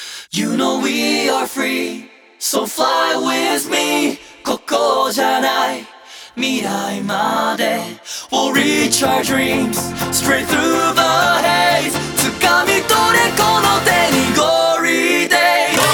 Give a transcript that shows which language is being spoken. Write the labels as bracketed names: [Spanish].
[English] You know we are free, so fly with me. [Japanese] ここじゃない未来まで。 [English] We'll reach our dreams straight through the haze。 [Japanese] 掴み取れこの手に Glory Day。